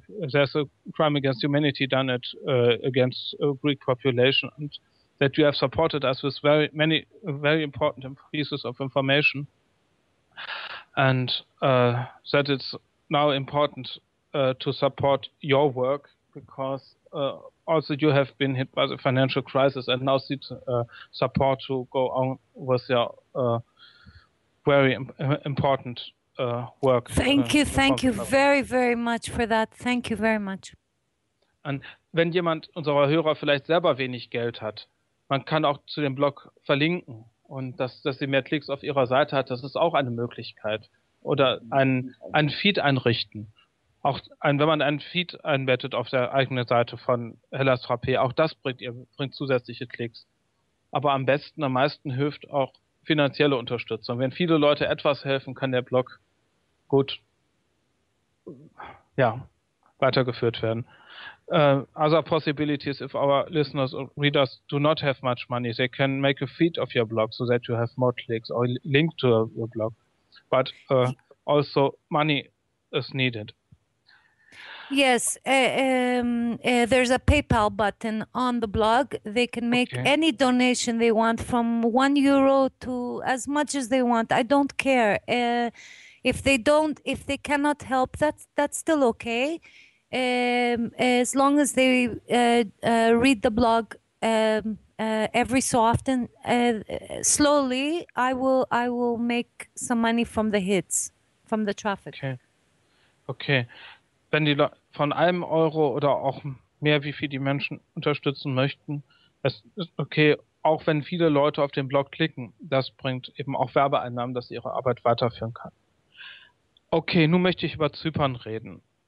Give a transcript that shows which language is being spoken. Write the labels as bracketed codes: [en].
[en] There's a crime against humanity done it against a Greek population, and that you have supported us with very many very important pieces of information, and that it's now important to support your work because also you have been hit by the financial crisis and now seek support to go on with your very important work. Thank you very, very much for that. Thank you very much. [de] Und wenn jemand unserer Hörer vielleicht selber wenig Geld hat, man kann auch zu dem Blog verlinken und dass sie mehr Klicks auf ihrer Seite hat, das ist auch eine Möglichkeit. Oder ein Feed einrichten. Wenn man ein Feed einbettet auf der eigenen Seite von Hellas Frappé, auch das bringt zusätzliche Klicks. Aber am besten, am meisten hilft auch finanzielle Unterstützung. Wenn viele Leute etwas helfen, kann der Blog gut weitergeführt werden. [en] Other possibilities, if our listeners or readers do not have much money, they can make a feed of your blog so that you have more clicks or link to your blog. But also money is needed. Yes, there's a PayPal button on the blog. They can make any donation they want from 1 euro to as much as they want. I don't care. If they cannot help, that's still okay. As long as they read the blog Every so often, slowly, I will make some money from the hits, from the traffic. Okay. [de] Wenn die von einem Euro oder auch mehr, wie viel die Menschen unterstützen möchten, es ist okay, auch wenn viele Leute auf den Blog klicken, das bringt eben auch Werbeeinnahmen, dass sie ihre Arbeit weiterführen kann. Okay, nun möchte ich über Zypern reden.